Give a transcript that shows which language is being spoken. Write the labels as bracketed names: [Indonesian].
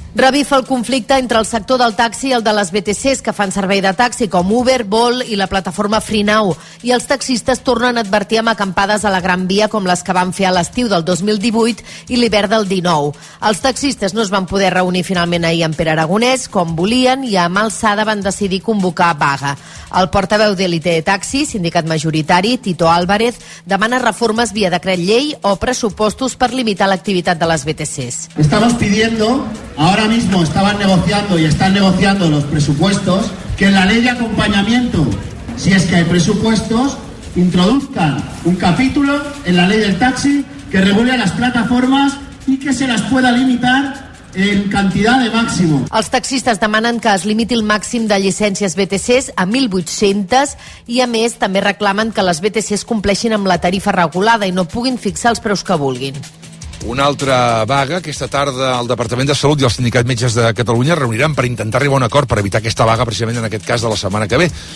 [Catalan] Revifa el conflicte entre el sector del taxi i el de les VTCs que fan servei de taxi, com Uber, Bolt i la plataforma Freenow. I els taxistes tornen a advertir amb acampades a la Gran Via com les que van fer a l'estiu del 2018 i l'hivern del 19. Els taxistes no es van poder reunir finalment ahir amb Pere Aragonès, com volien, i a mà alçada van decidir convocar vaga. El portaveu de l'ITE Taxi, sindicat majoritari, Tito Alba, Álvarez, demana reformes vía decret llei o [Spanish] presupuestos para limitar la actividad de las VTCs. Estamos pidiendo, ahora mismo estaban negociando y están negociando los presupuestos, que en la ley de acompañamiento, si es que hay presupuestos, introduzcan un capítulo en la ley del taxi que regule las plataformas y que se las pueda limitar en cantidad de máximo. [Catalan] Els taxistes demanen que es limiti el màxim de llicències VTCs a 1.800 i, a més, també reclamen que les VTCs compleixin amb la tarifa regulada i no puguin fixar els preus que vulguin. Una altra vaga. Aquesta tarda el Departament de Salut i el Sindicat Metges de Catalunya reuniran per intentar arribar a un acord per evitar aquesta vaga, precisament en aquest cas de la setmana que ve.